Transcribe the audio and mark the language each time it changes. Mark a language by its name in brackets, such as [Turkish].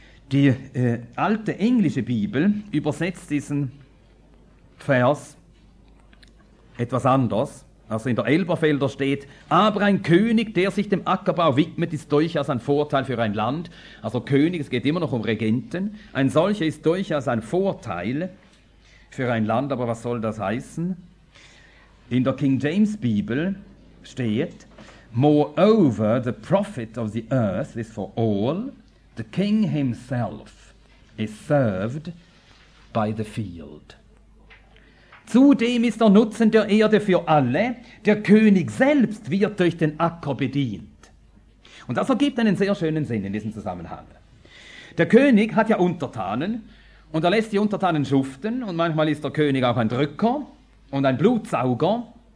[German] Die alte englische Bibel übersetzt diesen Vers etwas anders. Also in der Elberfelder steht, aber ein König, der sich dem Ackerbau widmet, ist durchaus ein Vorteil für ein Land. Also König, es geht immer noch um Regenten. Ein solcher ist durchaus ein Vorteil für ein Land, aber was soll das heißen? In der King James Bibel steht, [English] moreover, the prophet of the earth is for all, the king himself is served by the field. [German] Zudem ist der Nutzen der Erde für alle, der König selbst wird durch den Acker bedient. Und das ergibt einen sehr schönen Sinn in diesem Zusammenhang. Der König hat ja Untertanen und er lässt die Untertanen schuften und manchmal ist der König auch ein Drücker und ein Blutsauger.